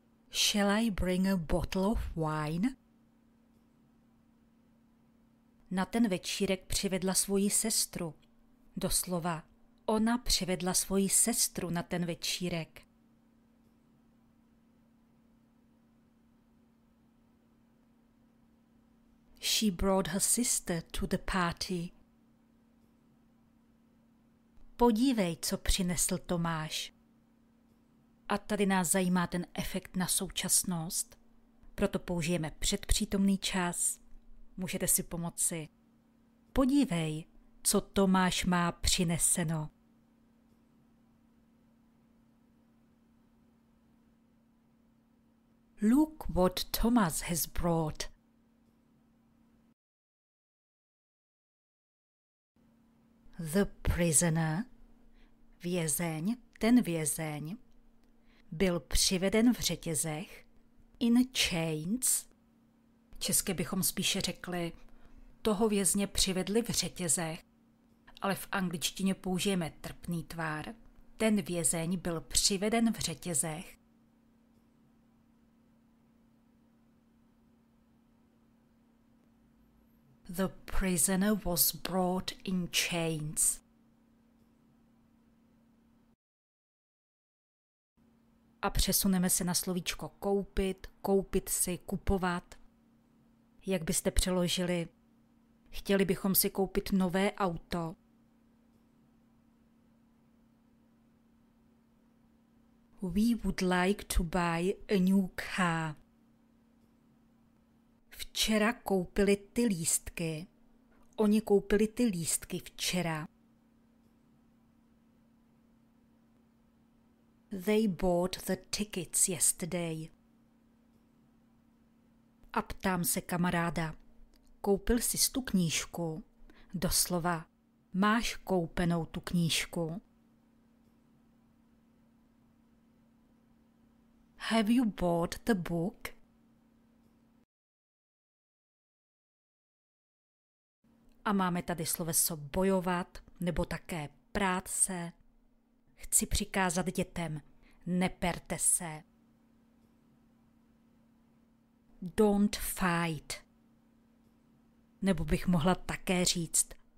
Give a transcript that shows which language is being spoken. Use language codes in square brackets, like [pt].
[en] Shall I bring a bottle of wine? [cs] Na ten večírek přivedla svoji sestru. Doslova, ona přivedla svoji sestru na ten večírek. She brought her sister to the party. Podívej, co přinesl Tomáš. A tady nás zajímá ten efekt na současnost. Proto použijeme předpřítomný čas. Můžete si pomoci. Podívej, co Tomáš má přineseno. [en] Look what Thomas has brought. The prisoner, [cs] vězeň, ten vězeň, byl přiveden v řetězech, [en] in chains. [cs] Česky bychom spíše řekli, toho vězně přivedli v řetězech, ale v angličtině použijeme trpný tvar. Ten vězeň byl přiveden v řetězech. [en] The prisoner was brought in chains. [cs] A přesuneme se na slovíčko koupit, koupit si, kupovat. Jak byste přeložili? Chtěli bychom si koupit nové auto. [en] We would like to buy a new car. [cs] Včera koupili ty lístky. Oni koupili ty lístky včera. [en] They bought the tickets yesterday. [cs] A ptám se kamaráda. Koupil jsi tu knížku? Doslova, máš koupenou tu knížku? [en] Have you bought the book? [cs] A máme tady sloveso bojovat, nebo také prát se. Chci přikázat dětem. Neperte se. [en] Don't fight. [cs] Nebo bych mohla také říct.